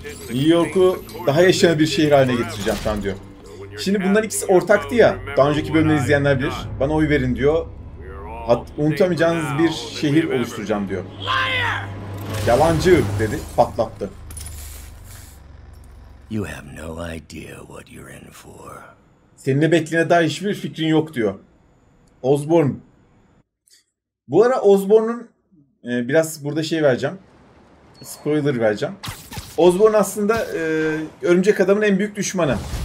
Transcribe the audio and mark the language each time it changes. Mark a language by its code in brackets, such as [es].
[tr] New York'u daha yaşanabilir bir şehir haline getireceğim falan diyor. Şimdi bunların ikisi ortaktı ya, daha önceki bölümleri izleyenler bilir. Bana oy verin diyor. Unutamayacağınız bir şehir oluşturacağım diyor. Yalancı dedi, patlattı. [en] You have no idea what you're in for. [tr] Senin ne beklediğine dair hiçbir fikrin yok diyor. Osborn. Bu ara Osborn'un biraz burada şey vereceğim. Spoiler vereceğim. Osborn aslında örümcek adamın en büyük düşmanı.